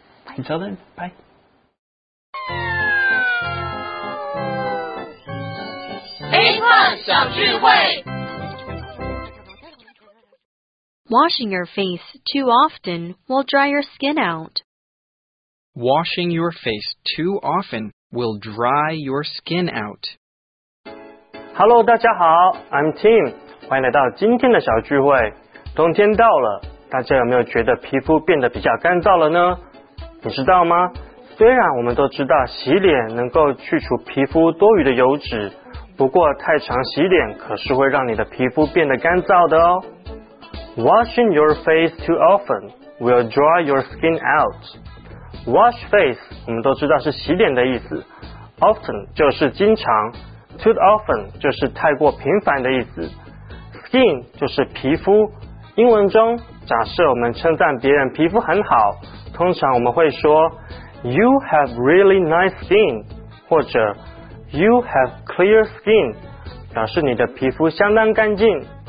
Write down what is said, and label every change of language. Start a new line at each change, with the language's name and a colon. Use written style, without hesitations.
English: Bye. Until then, bye. Washing your face too often will dry your skin out. Washing your face too often will dry your skin out. Hello,
Chinese: 大家好
English: I'm Tim.
Chinese: 欢迎来到今天的小聚会。冬天到了，大家有没有觉得皮肤变得比较干燥了呢？你知道吗？虽然我们都知道洗脸能够去除皮肤多余的油脂，不过太常洗脸可是会让你的皮肤变得干燥的哦。
English: Washing your face too often will dry your skin out. Wash face,
Chinese: 我们都知道是洗脸的意思 Often, 就是经常
English: Too often,
Chinese: 就是太过频繁的意思 Skin, 就是皮肤英文中假设我们称赞别人皮肤很好通常我们会说
English: You have really nice skin
Chinese: 或者
English: You have clear skin
Chinese: 表示你的皮肤相当干净